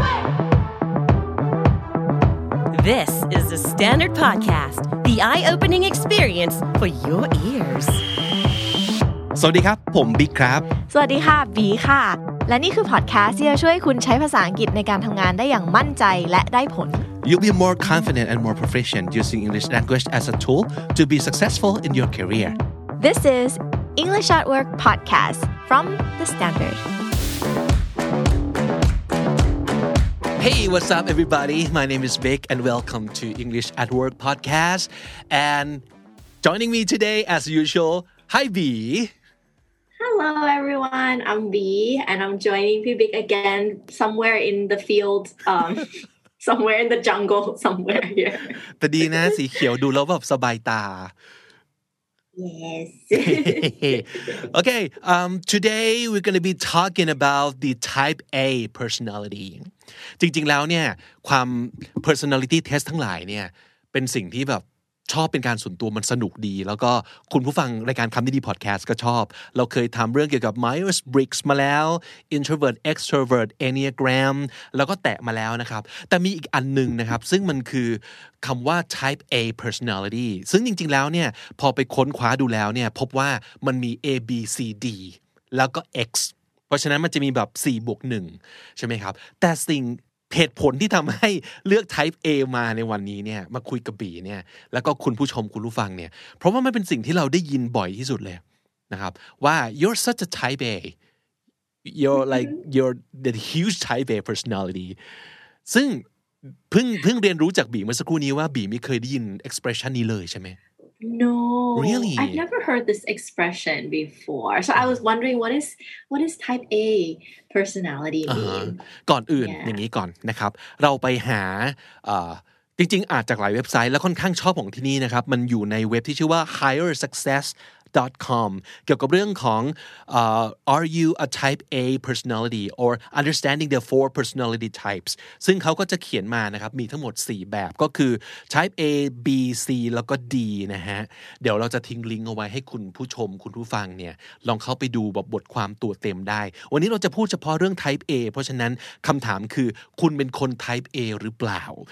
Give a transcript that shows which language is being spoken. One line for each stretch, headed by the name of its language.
English: This is the Standard Podcast, the eye-opening experience for your ears.
Thai: สวัสดีครับผมบิ๊กครับ สวัสดีค่ะบีค่ะและนี่คือพอดแคสต์ที่จะช่วยคุณใช้ภาษาอังกฤษในการทำงานได้อย่างมั่นใจและได้ผล
English: You'll be more confident and more proficient using English language as a tool to be successful in your career. This is English at Work Podcast from The Standard. Hey, what's up, everybody? My name is Vic, and welcome to English at Work podcast. And joining me today, as usual, hi, B. Hello, everyone. I'm B, and I'm joining you, Vic, again, somewhere in the field, somewhere in the jungle, somewhere here.
Thai: แต่ดีนะสีเขียวดูแล้วแบบสบายตา
English: Yes. Okay, today we're going to be talking about the type A personality.
Thai: จริงๆแล้วเนี่ยความ personality test ทั้งหลายเนี่ยเป็นสิ่งที่แบบชอบเป็นการส่วนตัวมันสนุกดีแล้วก็คุณผู้ฟังรายการคำดีๆ podcast ก็ชอบเราเคยทำเรื่องเกี่ยวกับ Myers-Briggs มาแล้ว introvert extrovert enneagram แล้วก็แตะมาแล้วนะครับแต่มีอีกอันนึงนะครับซึ่งมันคือคำว่า type A personality ซึ่งจริงๆแล้วเนี่ยพอไปค้นคว้าดูแล้วเนี่ยพบว่ามันมี A B C D แล้วก็ X เพราะฉะนั้นมันจะมีแบบ4บวก1ใช่ไหมครับแต่สิ่งเหตุผลที่ทำให้เลือก type A มาในวันนี้เนี่ยมาคุยกับบีเนี่ยแล้วก็คุณผู้ชมคุณผู้ฟังเนี่ยเพราะว่ามันเป็นสิ่งที่เราได้ยินบ่อยที่สุดเลยนะครับว่า
English: you're such a type A you're like you're the huge type A personality
Thai: ซึ่งเพิ่งเรียนรู้จากบีเมื่อสักครู่นี้ว่าบีไม่เคยได้ยิน expression นี้เลยใช่ไหม
English: No really I've never heard this expression before so I was wondering what is type A personality mean
Thai: ก่อนอื่น อย่างนี้ก่อนนะครับเราไปหาจริงๆอาจจากหลายเว็บไซต์แล้วค่อนข้างชอบของที่นี่นะครับมันอยู่ในเว็บที่ชื่อว่า hiresuccess.com เกี่ยวกับเรื่องของ
English: are you a type A personality or understanding the four personality types
Thai: ซึ่งเขาก็จะเขียนมานะครับมีทั้งหมด4แบบก็คือ type A B C แล้วก็ D นะฮะเดี๋ยวเราจะทิ้งลิงก์เอาไว้ให้คุณผู้ชมคุณผู้ฟังเนี่ยลองเข้าไปดูแบบบทความตัวเต็มได้วันนี้เราจะพูดเฉพาะเรื่อง type A เพราะฉะนั้นคำถามคือคุณเป็นคน type A หรือเปล่า